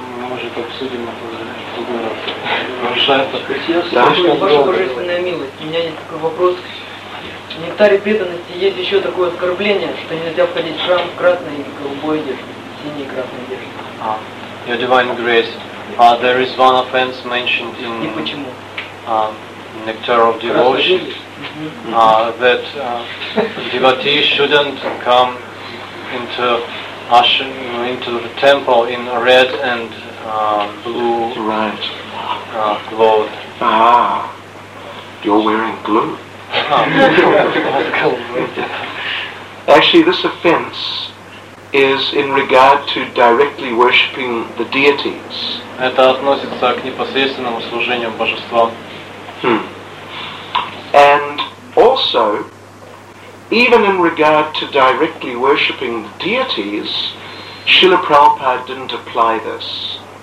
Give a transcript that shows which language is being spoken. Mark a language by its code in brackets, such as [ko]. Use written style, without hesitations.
[ru] Может, обсудим это в другой раз. Ваша божественная милость, у меня есть такой вопрос. В нектаре преданности есть еще такое оскорбление, что нельзя входить в храм в красной или голубой одежде, синей и красной одежде. [en] Your divine grace, there is one offense mentioned in... [ru] И почему? [en] Nectar of devotion. That devotees shouldn't come into... into the temple in red and blue right. Cloth. You're wearing blue. Actually, this offense is in regard to directly worshipping the deities. [ru] Это относится к непосредственному служению божествам. [en] And also, even in regard to directly worshipping the deities, Srila Prabhupada didn't apply this.